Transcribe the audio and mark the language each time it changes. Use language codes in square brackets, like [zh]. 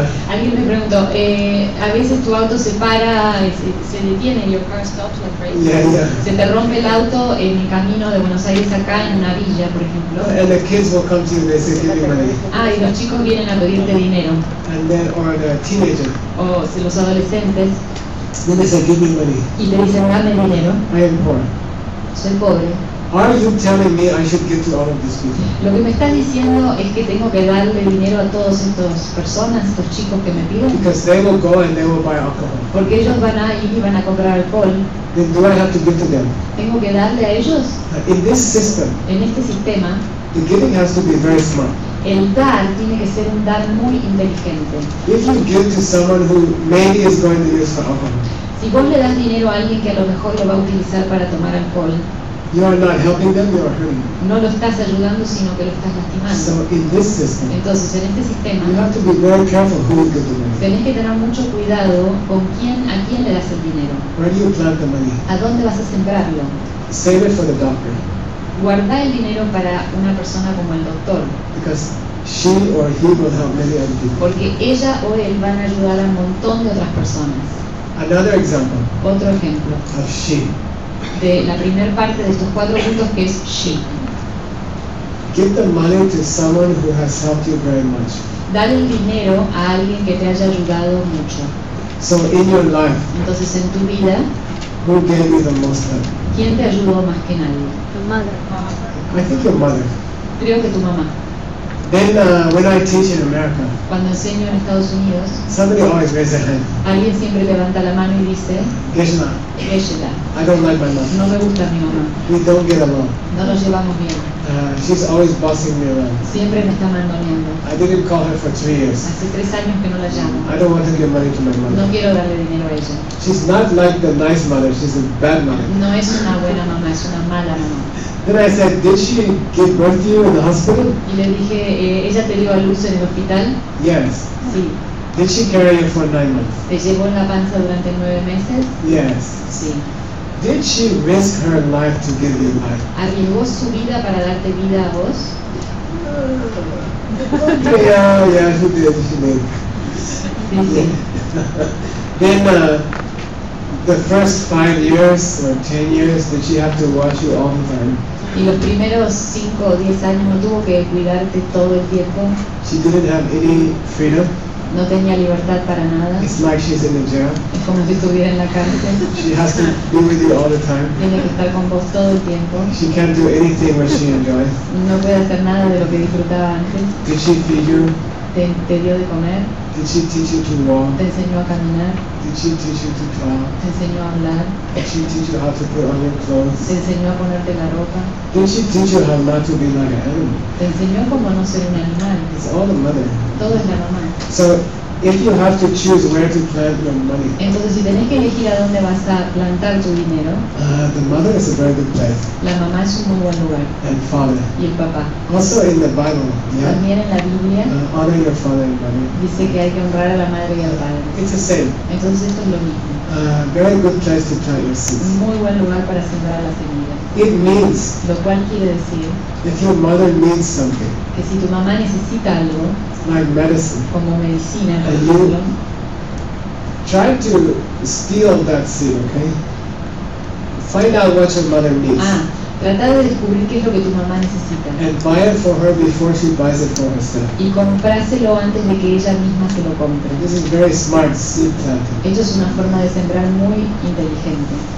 [es] Alguien me preguntó, a veces tu auto se para, se detiene, [en] your car stops like crazy. Yeah, yeah. [es] Se te rompe el auto en el camino de Buenos Aires acá en una villa, por ejemplo. [en] And the kids will come to you and they say, give me money. [es] Ah, y los chicos vienen a pedirte dinero. [en] And then, or the teenager. [es] O si los adolescentes. [en] Then they say, give me money. [es] Y te dicen, dame dinero. [en] I am poor. [es] Soy pobre. [en] Why are you telling me I should give to all of these people? [es] Lo que me estás diciendo es que tengo que darle dinero a todas estas personas, estos chicos que me piden. [en] Because they will go and they will buy alcohol. [es] Porque ellos van a ir y van a comprar alcohol. [en] Then do I have to give to them? [es] Tengo que darle a ellos. [en] In this system, [es] en este sistema, [en] the giving has to be very smart. [es] El dar tiene que ser un dar muy inteligente. [en] If you give to someone who maybe is going to use for alcohol, [es] si vos le das dinero a alguien que a lo mejor lo va a utilizar para tomar alcohol, [en] you are not helping them, you are hurting them. [es] No lo estás ayudando, sino que lo estás lastimando. [en] So in this system, [es] entonces, en este sistema, [en] you have to be very careful who you give the money. [es] Tenés que tener mucho cuidado con quién, a quién le das el dinero. [en] Where do you plant the money? [es] ¿A dónde vas a sembrarlo? [en] Save it for the doctor. [es] Guardá el dinero para una persona como el doctor. [en] Because she or he will help many other people. [es] Porque ella o él van a ayudar a un montón de otras personas. [en] Another example. [es] Otro ejemplo. [en] Of she. [es] De la primera parte de estos cuatro puntos que es she. [en] Give the money to someone who has helped you very much. [es] Dale el dinero a alguien que te haya ayudado mucho. [en] So in your life. [es] Entonces en tu vida. [en] Who gave you the most help? [es] ¿Quién te ayudó más que nadie? Tu madre. [en] I think your mother. [es] Creo que tu mamá. [en] Then when I teach in America, [es] cuando enseño en Estados Unidos, [en] somebody always raises their hand. [es] Alguien siempre levanta la mano y dice, Geshe-la. Geshe-la. [en] I don't like my mom. [es] No me gusta mi mamá. [en] We don't get along. [es] No nos llevamos bien. [en] She's always bossing me around. [es] Siempre me está mandoneando. [en] I didn't call her for 3 years. [es] Hace 3 años que no la llamo. [en] I don't want to give money to my mother. [es] No quiero darle dinero a ella. [en] She's not like the nice mother. She's a bad mother. [es] No es una buena mamá, es una mala mamá. [en] Then I said, did she give birth to you in the hospital? [es] Y le dije, ¿ella te dio a luz en el hospital? [en] Yes. [es] Sí. [en] Did she carry you for 9 months? [es] ¿Te llevó en la panza durante 9 meses? [en] Yes. [es] Sí. [en] Did she risk her life to give you life? [es] ¿Arriesgó su vida para darte vida a vos? [en] Okay, yeah, she did, she did. [es] Sí, sí. [en] Then, the first 5 years or 10 years, did she have to watch you all the time? [es] Y los primeros 5 o 10 años no tuvo que cuidarte todo el tiempo. [en] She didn't have any freedom. [es] No tenía libertad para nada. [en] It's like she's in the jail. [es] Es como si estuviera en la cárcel. [en] She has to be with you all the time. [es] Tiene que estar con vos todo el tiempo. [en] She can't do anything what she enjoys. [es] No puede hacer nada de lo que disfrutaba antes. [en] Did she feed you? [es] ¿Te dio de comer? [en] Did she teach you to walk? [es] ¿Te enseñó a caminar? [en] Did she teach you to talk? [es] ¿Te enseñó a hablar? [en] Did she teach you how to put on your clothes? [es] ¿Te enseñó a ponerte la ropa? [en] Did she teach you how not to be like an animal? [es] ¿Te enseñó cómo no ser un animal? [en] It's all the mother. [es] Todo es la mamá. [en] So, if you have to choose where to plant your money. [es] Entonces, si tenés que elegir a dónde vas a plantar tu dinero. [en] The mother is a very good place. [es] La mamá es un muy buen lugar. [en] And father. [es] Y el papá. [en] Also in the Bible. Yeah? [es] También en la Biblia. [en] Honor your father and mother. [es] Dice que hay que honrar a la madre y al padre. [en] It's the same. [es] Entonces esto es lo mismo. [en] Very good place to plant your seeds. [es] Muy buen lugar para sembrar la semilla. [en] It means. [es] Lo cual quiere decir. [en] If your mother needs something. [es] Que si tu mamá necesita algo. [en] Like medicine. [es] Como medicina, [en] and you try to steal that seed, okay? Find out what your mother needs. [es] Trata de descubrir qué es lo que tu mamá necesita. [en] And buy it for her before she buys it for herself. [es] Y comprárselo antes de que ella misma se lo compre. [en] This is very smart seed planting. [es] Esto es una forma de sembrar muy inteligente.